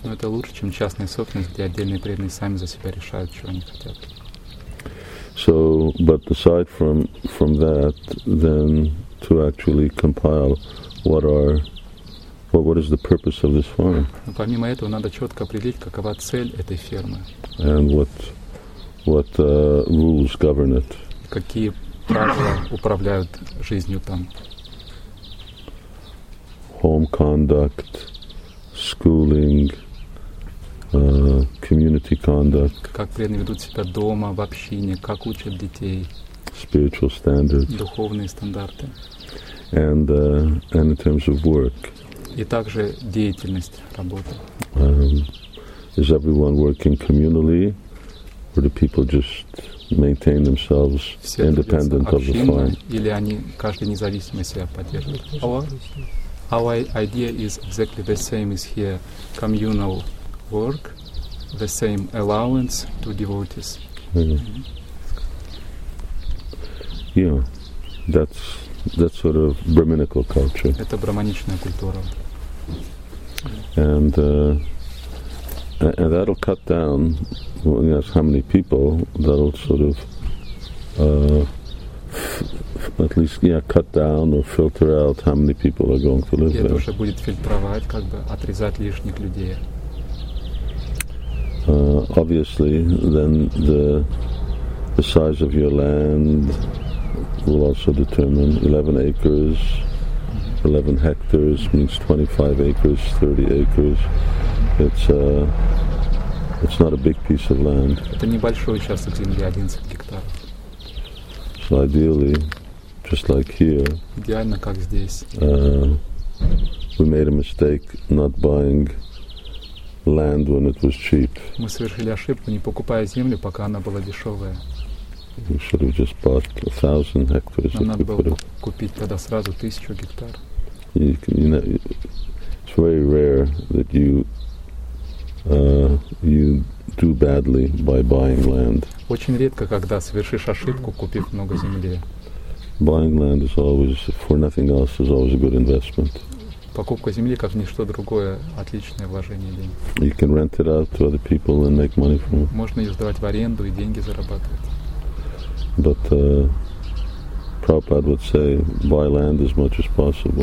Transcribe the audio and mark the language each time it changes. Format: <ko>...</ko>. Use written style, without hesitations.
<ru>Но это лучше, чем частная собственность, где отдельные преданные сами за себя решают, чего они хотят.</ru> <en>So, but aside from that, then to actually compile what is the purpose of this farm?</en> <ru>Ну, помимо этого, надо четко определить, какова цель этой фермы.</ru> <en>And what rules govern it?</en> <ru>Какие правила управляют жизнью там?</ru> <en>Home conduct, schooling, community conduct.</en> <ru>Как преданные ведут себя дома, в общине, как учат детей.</ru> <en>Spiritual standards.</en> <ru>Духовные стандарты.</ru> <en>And in terms of work.</en> <ru>И также деятельность, работа.</ru> <en>Is everyone working communally, or do people just maintain themselves independent of the farm?</en> <ru>Или они каждый независимо себя поддерживает?</ru> <en>Our idea is exactly the same as here, communal work, the same allowance to devotees. Mm-hmm. Yeah, that's sort of brahminical culture.</en> <ru>Это брахманичная культура.</ru> <en>And that'll cut down, well, yes, how many people, that'll sort of at least, yeah, cut down or filter out how many people are going to live there.</en> <ru>Это уже будет фильтровать, как бы отрезать лишних людей.</ru> <en>Obviously, then the size of your land will also determine 11 acres, 11 hectares means 25 acres, 30 acres. It's not a big piece of land.</en> <ru>Это небольшой участок земли, 11 гектаров.</ru> <en>So ideally, just like here,</en> <ru>идеально как здесь,</ru> <en>we made a mistake not buying land when it was cheap.</en> <ru>Мы совершили ошибку, не покупая землю, пока она была дешевая.</ru> <en>We should have just bought 1,000 hectares.</en> <ru>Нам надо было купить тогда сразу 1,000 гектар.</ru> <en>It's very rare that you do badly by buying land.</en> <ru>Очень редко, когда совершишь ошибку, купив много земли.</ru> <en>Buying land is always, for nothing else, is always a good investment.</en> <ru>Покупка земли, как ничто другое, отличное вложение денег.</ru> <en>You can rent it out to other people and make money from it.</en> <ru>Можно ее сдавать в аренду и деньги зарабатывать.</ru> <en>But Prabhupada would say, buy land as much as possible.</en>